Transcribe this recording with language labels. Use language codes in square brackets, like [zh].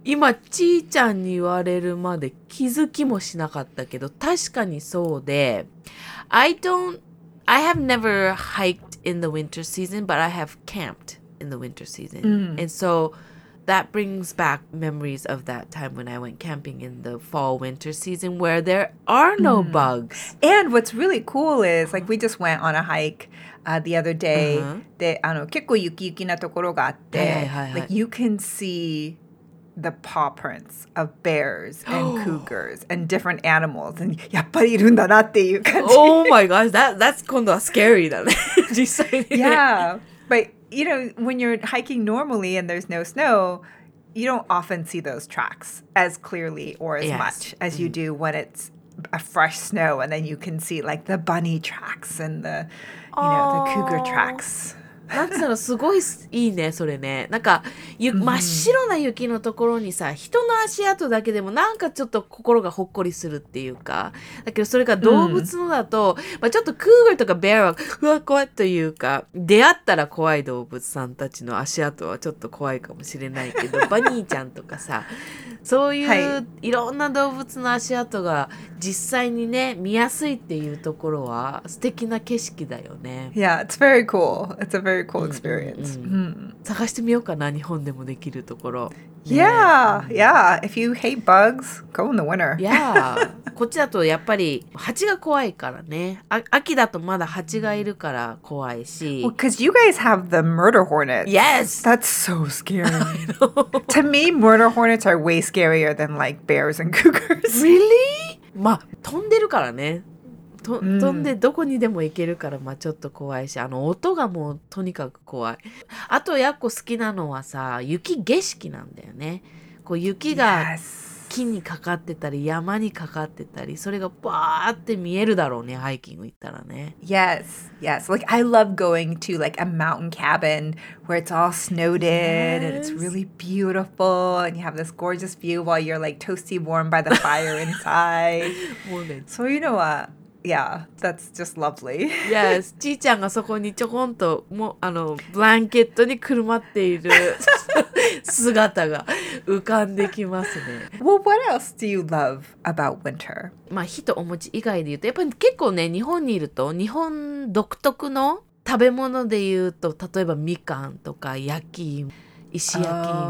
[ja] 今ちーちゃんに言われるまで気づきもしなかったけど確かにそうで [en] I have never hiked in the winter season, but I have camped in the winter season. Mm. And so that brings back memories of that time when I went camping in the fall winter season where there are no mm. bugs. And what's really cool is like we just went on a hike the other day. Uh-huh. [ja] で、あの、結構ゆきゆきなところがあって、はいはいはいはい、 [en] like you can see... the paw prints of bears and cougars and different animals. [ja] And やっぱりいるんだなっていう感じ。 [en] Oh my gosh, that's [ja] 今度は [en] scary [ja] だね。実際に。 [en] Yeah, but you know, when you're hiking normally and there's no snow, you don't often see those tracks as clearly or as yes. much as you do when it's a fresh snow. And then you can see like the bunny tracks and the, you know, the cougar tracks. [ja] なんつうのすごいいいねそれねなんか真っ白な雪のところにさ人の足跡だけでもなんかちょっと心がほっこりするっていうかだけどそれが動物のだと、うんまあ、ちょっとクーガーとかベアはふわっ怖いというか出会ったら怖い動物さんたちの足跡はちょっと怖いかもしれないけどバニーちゃんとかさそういういろんな動物の足跡が実際にね見やすいっていうところは素敵な景色だよね [en] Yeah, it's very cool. It's a very cool experience. [ja] うんうん、うん、探してみようかな日本でもできるところ、 [en] ね、Yeah, yeah. If you hate bugs, go in the winter. Yeah. [ja] こっちだとやっぱり蜂が怖いからね秋だとまだ蜂がいるから怖いし [en] Well, because you guys have the murder hornets. Yes. That's so scary. I know. To me, murder hornets are way scarier than like bears and cougars. Really? [ja] まあ、飛んでるからね飛んでどこにでも行けるから、まあ、ちょっと怖いしあの音がもうとにかく怖いあとやっこ好きなのはさ雪景色なんだよねこう雪が木にかかってたり山にかかってたりそれがバーって見えるだろうねハイキング行ったらね [en] Yes, yes. Like, I love going to like a mountain cabin where it's all snowed in、 yes. and it's really beautiful and you have this gorgeous view while you're like toasty warm by the fire inside [ja] もうね、そういうのは [en] Yeah, that's just lovely. [ja] Yes, ちーちゃんがそこにちょこんと、もう、あの、ブランケットにくるまっている姿が浮かんできますね。 [en] Well, what else do you love about winter? [ja] まあ、火とお餅以外で言うと、やっぱり結構ね、日本にいると、日本独特の食べ物で言うと、例えばみかんとか焼き、石焼き芋。